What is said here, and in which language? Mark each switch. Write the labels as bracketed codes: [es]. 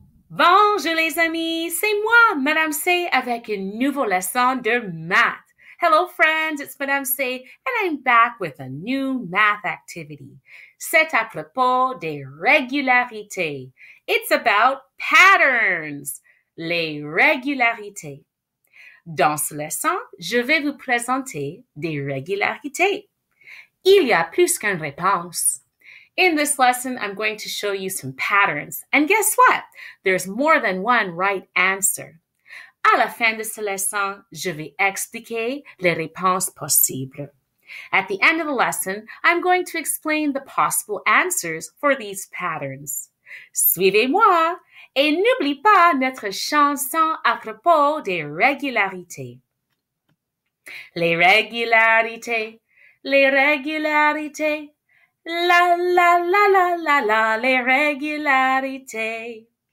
[fr] Bonjour les amis, c'est moi, Madame C, avec une nouvelle leçon de math. [en] Hello friends, it's Madame C, and I'm back with a new math activity. [fr] C'est à propos des régularités. [en] It's about patterns. [fr] Les régularités. Dans ce leçon, je vais vous présenter des régularités. Il y a plus qu'une réponse. [en] In this lesson, I'm going to show you some patterns. And guess what? There's more than one right answer. [fr] À la fin de ce lesson, je vais expliquer les réponses possibles. [en] At the end of the lesson, I'm going to explain the possible answers for these patterns. [fr] Suivez-moi et n'oublie pas notre chanson à propos des régularités. Les régularités, les régularités. La, la, la, la, la, la, les régularités.